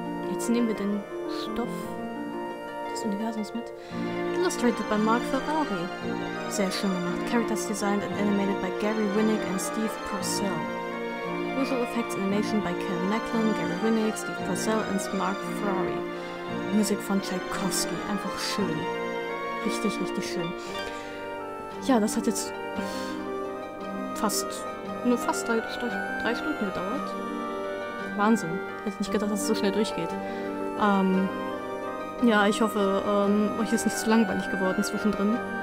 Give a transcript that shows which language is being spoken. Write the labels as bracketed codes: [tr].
[de] Jetzt nehmen wir den Stoff des Universums mit. [en] Illustrated by Mark Ferrari. [de] Sehr schön gemacht. [en] Characters designed and animated by Gary Winnick and Steve Purcell. Visual effects animation by Ken Macklin, Gary Winnick, Steve Purcell and Mark Ferrari. [de] Musik von Tschaikowski. Einfach schön. Richtig, richtig schön. Ja, das hat jetzt fast drei Stunden gedauert. Wahnsinn. Hätte nicht gedacht, dass es so schnell durchgeht. Ja, ich hoffe, euch ist nicht zu langweilig geworden zwischendrin.